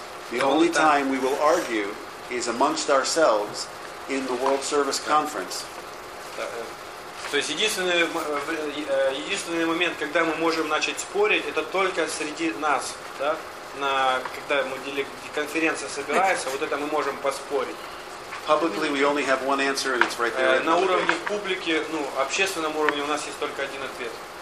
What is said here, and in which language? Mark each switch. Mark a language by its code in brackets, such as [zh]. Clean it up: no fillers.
[en] The only time we will argue is amongst ourselves in the World Service Conference. [ru] То есть единственный момент, когда мы можем начать спорить, это только среди нас, да? На когда мы конференция собирается, вот это мы можем поспорить. [en] Publicly, we only have one answer, and it's right there. [ru] На уровне публики, ну, общественном уровне у нас есть только один ответ.